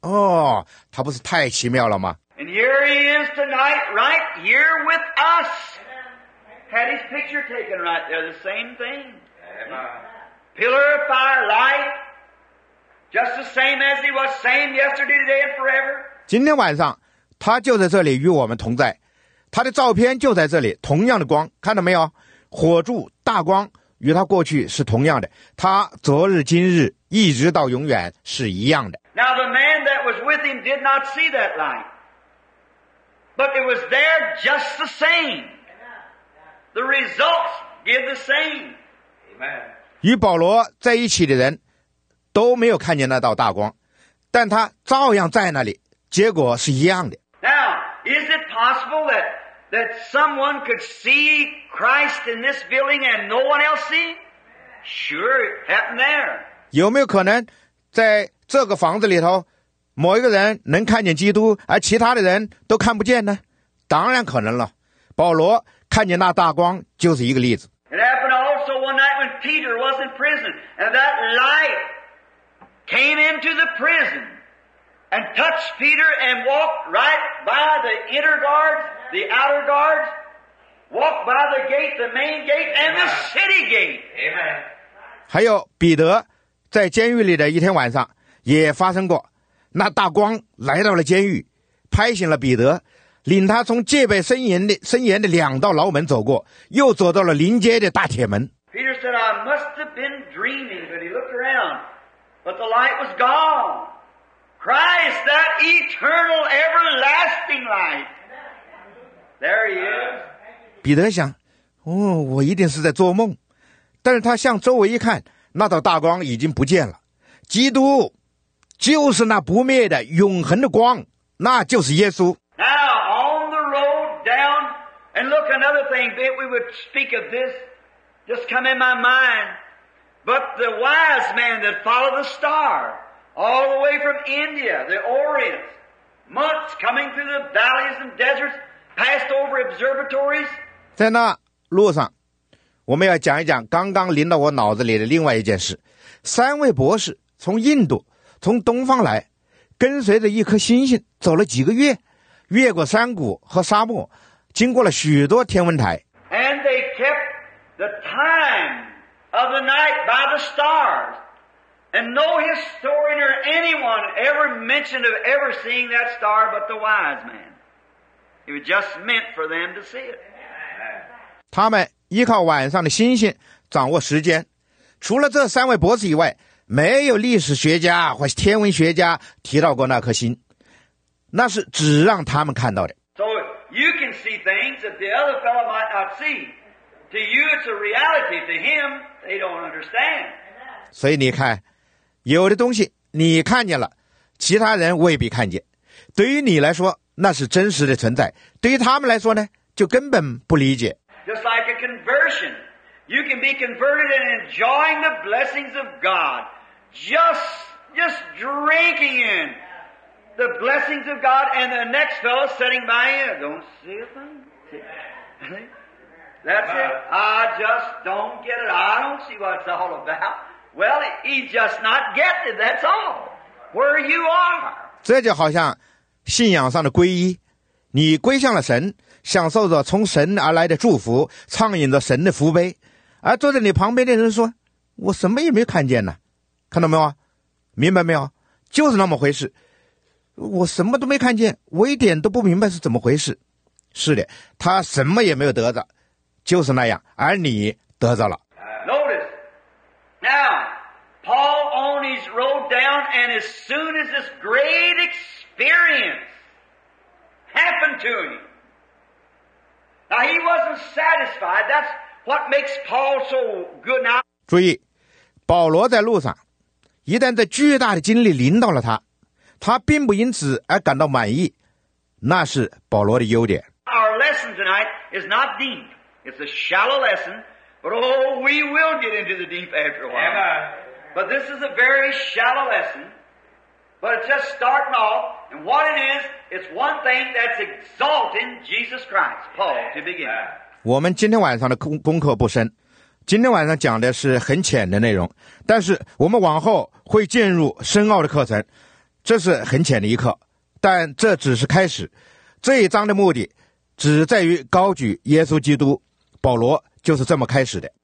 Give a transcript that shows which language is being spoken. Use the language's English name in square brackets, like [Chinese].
[Chinese] 哦，他不是太奇妙了吗 [English] ？And here he is tonight, right here with us. Had his picture taken right there, the same thing. pillar of fire, light, just the same as he was, same yesterday, today, and forever. [Chinese] 今天晚上，他就在这里与我们同在，他的照片就在这里，同样的光，看到没有？火柱大光与他过去是同样的，他昨日今日一直到永远是一样的。 [English] Now the man that was with him did not see that light, but it was there just the same. The results give the same. [Chinese] Amen. 与保罗在一起的人都没有看见那道大光，但他照样在那里，结果是一样的。 [English] Now, is it possible that someone could see Christ in this building and no one else see? Sure, it happened there. [Chinese] 有没有可能在这个房子里头某一个人能看见基督而其他的人都看不见呢？当然可能了。保罗看见那大光就是一个例子。 [English] It happened also one night when Peter was in prison and that light came into the prison and touched Peter and walked right by the inner guards, the outer guards, walked by the gate, the main gate, and the city gate. Amen. [Chinese] 还有彼得在监狱里的一天晚上也发生过，那大光来到了监狱，拍醒了彼得，领他从戒备森严的两道牢门走过，又走到了临街的大铁门。 [English] Peter said, I must have been dreaming, but he looked around, but the light was gone. Christ, that eternal, everlasting light. There he is. [Chinese] 彼得想，哦，我一定是在做梦，但是他向周围一看，那道大光已经不见了。基督就是那不灭的永恒的光，那就是耶稣。 [English] Now on the road down, and look another thing that we would speak of this just come in my mind, but the wise man that followed the star all the way from India, the Orient, months coming through the valleys and deserts, passed over observatories. [Chinese] 在那路上，我们要讲一讲刚刚临到我脑子里的另外一件事。三位博士从印度从东方来，跟随着一颗星星走了几个月，越过山谷和沙漠，经过了许多天文台。 [English] And they kept the time of the night by the stars. And no historian or anyone ever mentioned of ever seeing that star but the wise man. It was just meant for them to see it. 他们依靠晚上的星星掌握时间，除了这三位博士以外，没有历史学家或天文学家提到过那颗星，那是只让他们看到的。 So you can see things that the other fellow might not see. To you, it's a reality. To him, they don't understand. [Chinese] 所以你看，有的东西你看见了，其他人未必看见。对于你来说，那是真实的存在；对于他们来说呢，就根本不理解。 [English] Just like a conversion. You can be converted and enjoying the blessings of God. Just drinking in the blessings of God and the next fellow sitting by you. Don't see a thing. That's it. I just don't get it. I don't see what it's all about. Well, he's just not getting it. That's all. Where you are. [Chinese] 这就好像信仰上的皈依，你归向了神，享受着从神而来的祝福，畅饮着神的福杯。而坐在你旁边的人说，我什么也没看见呢，看到没有啊？明白没有？就是那么回事，我什么都没看见，我一点都不明白是怎么回事。是的，他什么也没有得着，就是那样，而你得着了。 [English] Notice, now, Paul on his road down, and as soon as this great experience happened to him, now he wasn't satisfied, that'sWhat makes Paul so good now? [Chinese] 注意，保罗在路上，一旦这巨大的经历临到了他，他并不因此而感到满意，那是保罗的优点。 [English] Our lesson tonight is not deep; it's a shallow lesson. But oh, we will get into the deep after a while. Amen. But this is a very shallow lesson. But it's just starting off, and what it is, it's one thing that's exalting Jesus Christ, Paul, to begin. Amen. [Chinese] 我们今天晚上的功课不深，今天晚上讲的是很浅的内容，但是我们往后会进入深奥的课程，这是很浅的一课，但这只是开始。这一章的目的只在于高举耶稣基督，保罗就是这么开始的。